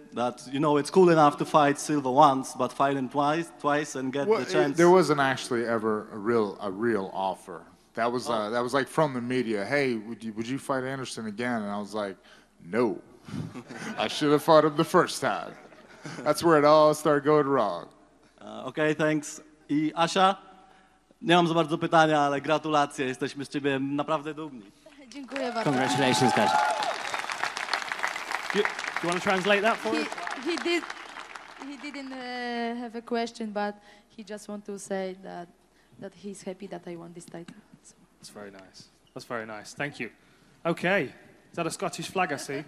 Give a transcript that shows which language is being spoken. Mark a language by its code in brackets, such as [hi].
[en] That, you know, it's cool enough to fight silver once, but fight him twice and get the chance. There wasn't actually ever a real offer. That was that was like from the media. Hey, would you fight Anderson again? And I was like, no. I should have fought him the first time. That's where it all started going wrong. Okay, thanks. [pl] I Asia, nie mam za bardzo pytania, ale gratulacje. Jesteśmy z ciebie naprawdę dumni. Dziękuję bardzo. [en] Congratulations, guys. Do you want to translate that for us? He didn't have a question, but he just want to say that he's happy that I won this title. So. That's very nice. That's very nice. Thank you. Okay. Is that a Scottish flag, I see?